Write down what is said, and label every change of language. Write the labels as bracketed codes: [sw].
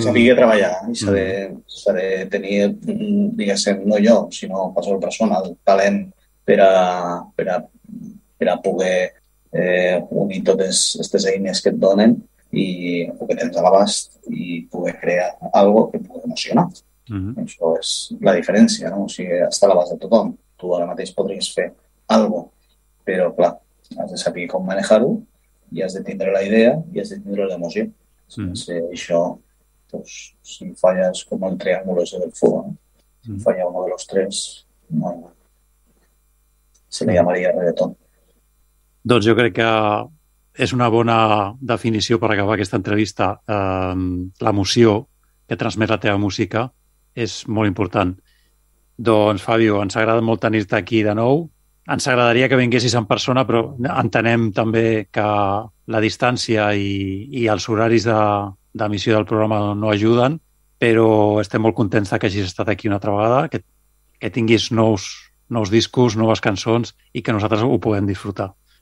[ca] S'ha de treballar i s'ha de tenir, diguéssim, no jo, sinó qualsevol persona, el talent per a poder unir totes aquestes eines que et donen i el que tens a l'abast i poder crear algo que pugui emocionar. Mm-hmm. Això és la diferència, no? O sigui, està a l'abast de tothom. Tu ara mateix podries fer algo, però, clar, has de saber com manejar-ho i has de tindre la idea i has de tindre l'emoció. Això, doncs, si falles com el [es] triàngulo ese del fuego, si falla uno de los tres, bueno, se le llamaría reggaetón. [ca] Doncs jo crec que és una bona definició per acabar aquesta entrevista. L'emoció que transmet la teva música és molt important. Doncs, Fabio, ens agrada molt tenir-te aquí de nou. Ens agradaria que vinguessis en persona, però entenem també que la distància i els horaris d'emissió del programa no ajuden, però estem molt contents que hagis estat aquí una altra vegada, que tinguis nous discos, noves cançons i que nosaltres ho puguem disfrutar.